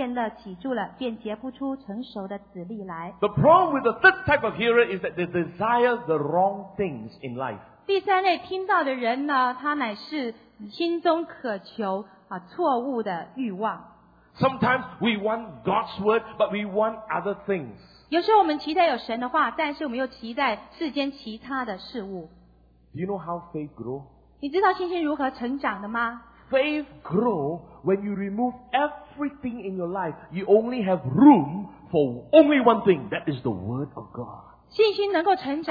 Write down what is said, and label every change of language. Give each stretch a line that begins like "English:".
Chinese: 他那落在荆棘里遇见里的就是人听得到走开以后被今生的思虑钱财厌乐起住了便结不出成熟的子粒来。
English: The problem with the third type of hearer is that they desire the wrong things in life.
Chinese: 第三类听到的人呢,他乃是心中渴求错误的欲望。
English: Sometimes we want God's word, but we want other things.
Chinese: 有时候我们期待有神的话,但是我们又期待世间其他的事物。
English: Do you know how faith grows?
Chinese: 你知道信心如何成长的吗?
English: Faith grows when you remove everything in your life. You only have room for only one thing, that is the word of God.